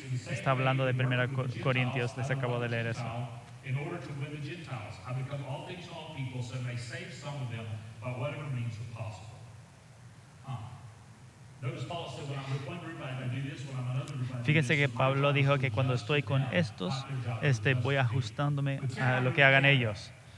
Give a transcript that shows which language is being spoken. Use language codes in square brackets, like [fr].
[es] Está hablando de 1 Corintios, les acabo de leer eso. [en] In order to win the Gentiles, I become all things to all people, so may save some of them by whatever means possible. Notice Paul said, when I'm with one group, I do this. When I'm another group, I do this. [es] Fíjense que Pablo dijo que cuando estoy con estos, voy ajustándome a lo que hagan ellos.